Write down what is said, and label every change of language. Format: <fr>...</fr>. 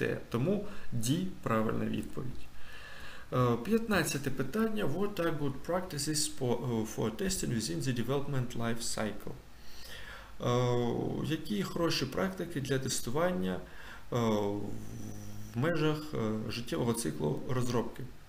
<uk>Тому D – правильна відповідь. 15-те питання.</uk> <en>What are good practices for testing within the development life cycle?</en> <uk>Які хороші практики для тестування в межах життєвого циклу розробки?</uk>